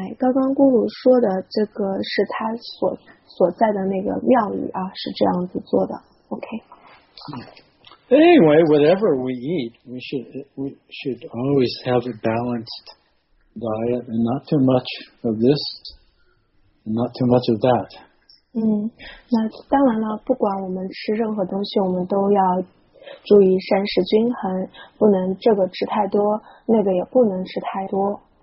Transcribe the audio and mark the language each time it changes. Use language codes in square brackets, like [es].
[zh] 刚刚咕噜说的这个是他所在的那个庙宇啊，是这样子做的。 OK [en] Anyway, whatever we eat, we should always have a balancedDiet and not too much of this, and not too much of that. [zh] 那当然了，不管我们吃任何东西，我们都要注意膳食均衡，不能这个吃太多，那个也不能吃太多。